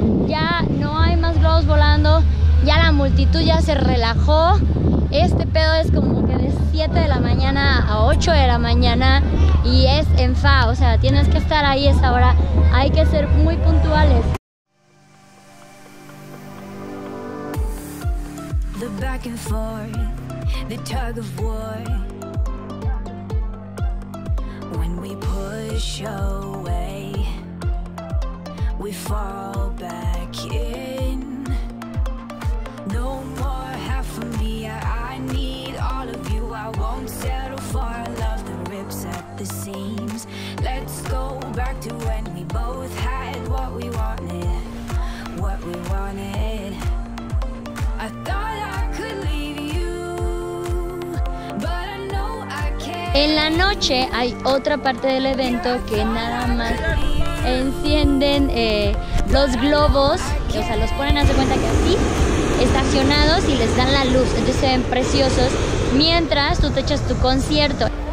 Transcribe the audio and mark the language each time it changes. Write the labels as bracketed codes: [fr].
[es] Ya no hay más globos volando, ya la multitud ya se relajó. Este pedo es como que de 7 de la mañana a 8 de la mañana y es en fa, o sea, tienes que estar ahí esa hora. Hay que ser muy puntuales. [en] The back and forth, the tug of war. When we push away, we fall back in. No more half of me, I need all of you. I won't settle for a love that rips at the seams. Let's go back to when we both had what we wanted, what we wanted. I thought I could leave you, but I know I can't. [es] En la noche hay otra parte del evento que nada más encienden los globos, o sea, los ponen, haz de cuenta que así, estacionados, y les dan la luz, entonces se ven preciosos mientras tú te echas tu concierto.